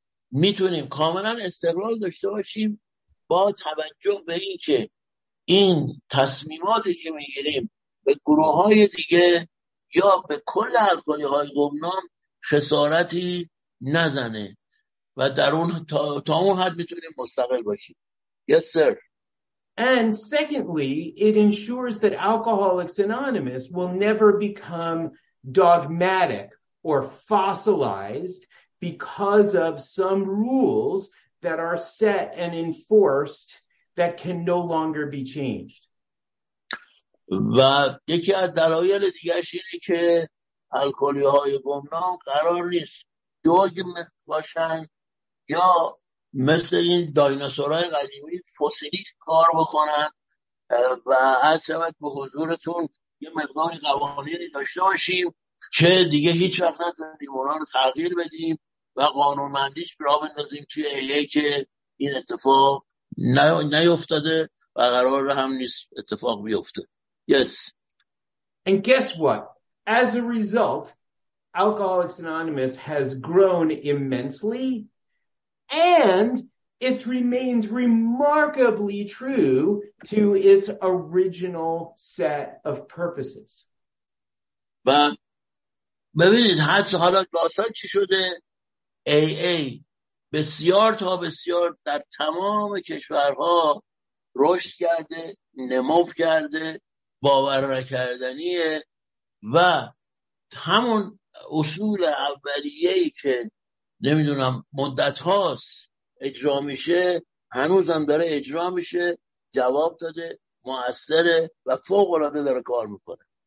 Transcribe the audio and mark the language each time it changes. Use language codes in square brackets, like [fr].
[fa] میتونیم کاملا استقلال داشته باشیم با توجه به این که این تصمیماتی که میگیریم به گروه های دیگه یا به کل الکلی های گمنام خسارتی نزنه و در اون تا اون حد میتونیم مستقل باشیم. [en] Yes sir. And secondly, it ensures that Alcoholics Anonymous will never become dogmatic or fossilized because of some rules that are set and enforced that can no longer be changed. [fa] و یکی از دلایل دیگه‌اش اینه که الکلی‌های گمنام قرار نیست دوگم باشن یا مثل این دایناسورهای قدیمی فسیلی کار بکنن و از شبت به حضورتون یه مقدار قوانینی داشته باشیم که دیگه هیچ وقت نتونیم اونا رو تغییر بدیم و قانونمندیش را بندازیم توی ایه که این اتفاق نیفتاده و قرار هم نیست اتفاق بیفته. [en] Yes. And guess what? As a result, Alcoholics Anonymous has grown immensely and it's remained remarkably true to its original set of purposes. [fa] و ببینید حالا داستان چی شده؟ AA بسیار تا بسیار در تمام کشورها رشد کرده، نمو کرده، باور نکردنیه و همون اصول اولیه‌ای که نمیدونم مدت هاست اجرا میشه هنوز هم داره اجرا میشه، جواب داده، مؤثره و فوق العاده داره کار میکنه.